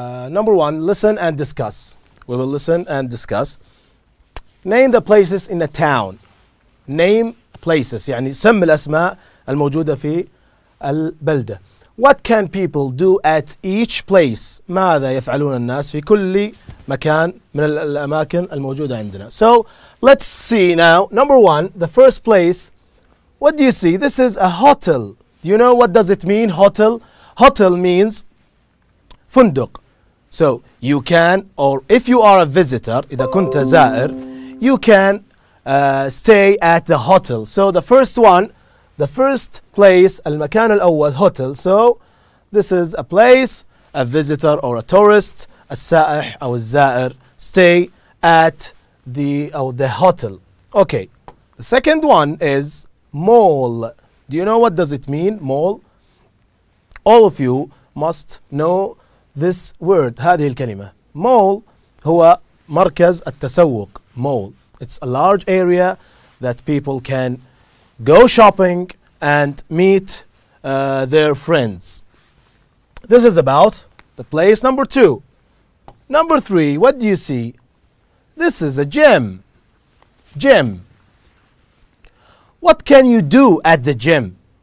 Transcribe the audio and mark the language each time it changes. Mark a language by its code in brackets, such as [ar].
[en] Number one, listen and discuss. We will listen and discuss. Name the places in a town. Name places. [ar] يعني سم الأسماء الموجودة في البلدة. [en] What can people do at each place? [ar] ماذا يفعلون الناس في كل مكان من الأماكن الموجودة عندنا. [en] So, let's see now. Number one, the first place. What do you see? This is a hotel. Do you know what does it mean, hotel? Hotel means فندق. So, you can, or if you are a visitor, [ar] إذا كنت زائر, [en] you can stay at the hotel. So, the first one, the first place, [ar] المكان الأول, [en] hotel. So, this is a place, a visitor or a tourist, [ar] السائح أو الزائر, [en] stay at the hotel. Okay, the second one is mall. Do you know what does it mean, mall? All of you must know this word, [ar] هذه الكلمة. Mall هو مركز التسوق, mall. [en] It's a large area that people can go shopping and meet their friends. This is about the place number two. Number three, what do you see? This is a gym. Gym. What can you do at the gym?